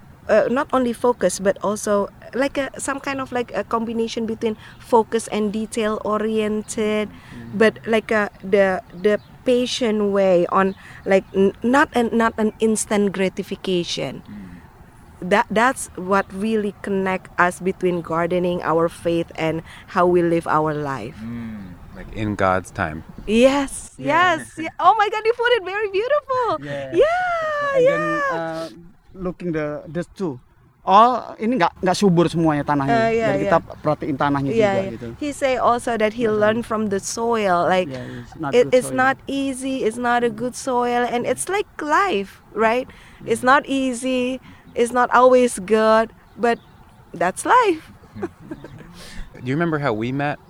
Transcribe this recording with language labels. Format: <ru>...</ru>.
<en>Not only focus, but also some kind of a combination between focus and detail oriented, but the patient way on not an instant gratification. That's what really connect us between gardening, our faith, and how we live our life. Like in God's time. Yes, yes. Yeah. Oh my God, you put it very beautiful. Yeah. Then, looking this too.</en> <id>Oh, ini nggak subur semuanya tanahnya. Jadi kita perhatiin tanahnya juga gitu.</id> <en>He say also that he learned from the soil. Like it's not easy. It's not a good soil, and it's like life, right? Yeah. It's not easy. It's not always good, but that's life. Do you remember how we met?</en>